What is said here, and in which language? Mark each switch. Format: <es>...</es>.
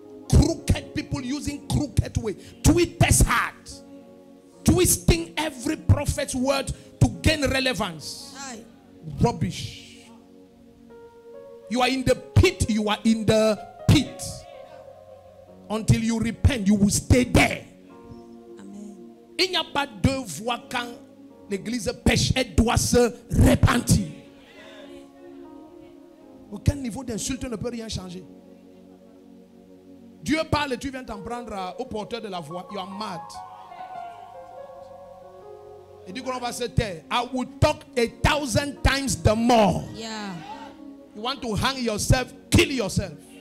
<en>Crooked people using crooked way. Twisted heart. Twisting every prophet's word to gain relevance. Aye. Rubbish. You are in the pit. You are in the pit. Until you repent, you will stay there. Amen.</en> <fr>Il n'y a pas deux voies quand l'église pêche. Elle doit se repentir. Aucun niveau d'insulte ne peut rien changer. Dieu parle et tu viens t'en prendre au porteur de la voix.</fr> <en>You are mad.</en> <fr>Il dit qu'on va se taire.</fr> <en>I would talk 1,000 times the more. Yeah. You want to hang yourself, kill yourself.</en>